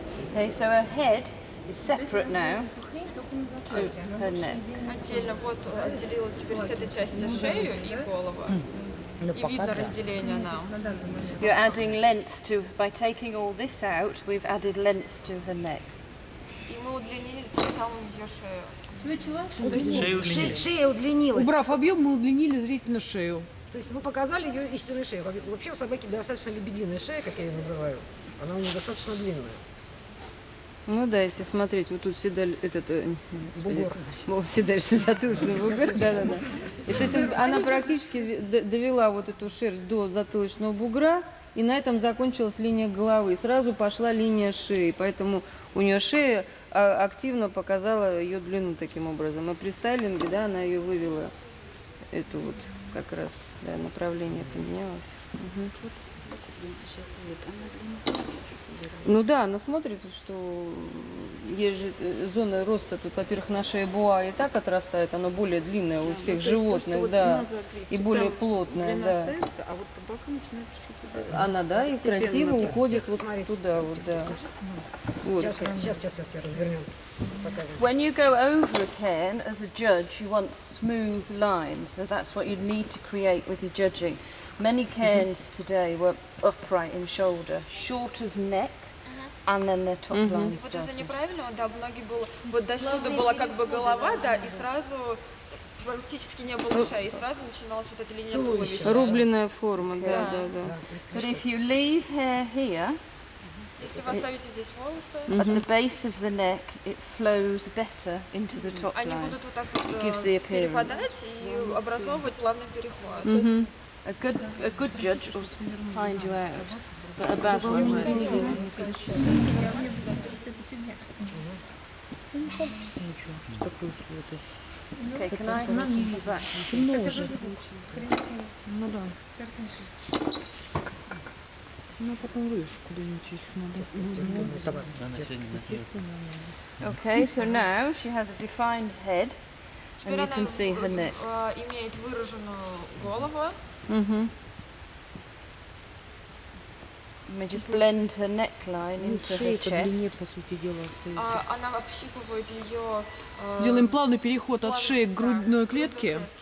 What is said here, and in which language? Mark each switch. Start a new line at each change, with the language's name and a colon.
English: Okay, so her head is separate now to her neck.
Russian: Отдельно, вот отделила теперь с этой части шею и голову. видно разделение нам.
English: You're adding length to, by taking all this out, we've added length to the neck.
Russian: И мы удлинили тем самым ее шею. Шея удлинилась. Убрав объем, мы удлинили зрительно шею. То есть мы показали ее истинную шею. Вообще у собаки достаточно лебединая шея, как я ее называю. Она у нее достаточно длинная. Ну да, если смотреть, вот тут седаль, этот... Бугор. Седальщий затылочный бугор, да-да-да. То есть она практически довела вот эту шерсть до затылочного бугра, и на этом закончилась линия головы. Сразу пошла линия шеи, поэтому у нее шея активно показала ее длину таким образом. И при стайлинге, да, она ее вывела, эту вот как раз, да, направление поменялось. Угу. Ну да, она смотрит, что есть же зона роста тут, во-первых, наша боа и так отрастает, она более длинная у всех животных, да, и более плотная, да. А вот по бокам начинает чуть-чуть. Она, да, и красиво уходит вот туда, вот, да. Сейчас я развернем.
English: When you go over a cairn as a judge, you want smooth lines, so that's what you need to create with your judging. Many cairns today were upright in shoulder, short of neck, and then their top line started.
Russian: Вот это неправильно, да, у многих было, вот до сюда была как бы голова, да, и сразу практически не было шеи, и сразу начиналась вот эта линия туловища. Рубленная форма, да, да, да.
English: But if you leave hair here,
Russian: если вы оставите здесь волосы,
English: at the base of the neck, it flows better into the top line.
Russian: Они будут вот так вот перепадать и образовывать плавный переход.
English: A good judge will find you out, but a bad one won't. Okay, can I move that?
Russian: Ну да. Ну потом выше куда-нибудь, если надо.
English: Okay, so now she has a defined head, and you can see her neck.
Russian: Имеет выраженную голову.
English: Мы just blend her neckline into her chest.
Russian: По длине, по сути дела, она общипывает ее. Делаем плавный переход от шеи к грудной клетке.